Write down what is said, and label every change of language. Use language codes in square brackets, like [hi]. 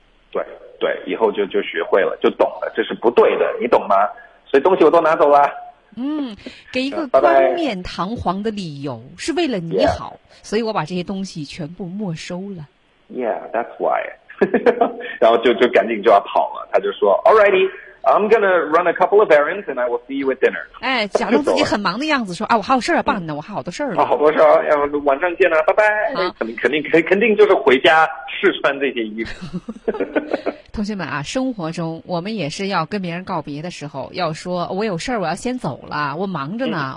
[zh] 对对，以后就学会了，就懂了，这是不对的，你懂吗？所以东西我都拿走了。嗯，给一个冠冕堂皇的理由，是为了你好， [en] yeah. [zh] 所以我把这些东西全部没收了。 [en] Yeah, that's why. [zh] 然后就赶紧就要跑了，他就说 ， [en] Alrighty。 I'm gonna run a couple of errands and I will see you at dinner. [zh] 哎，假装自己很忙的样子说啊，我还有事儿要办呢，我还好多事儿呢。啊，好多事儿，要晚上见了，拜拜。啊，肯定就是回家试穿这些衣服。同学们啊，生活中我们也是要跟别人告别的时候，要说我有事儿，我要先走了，我忙着呢，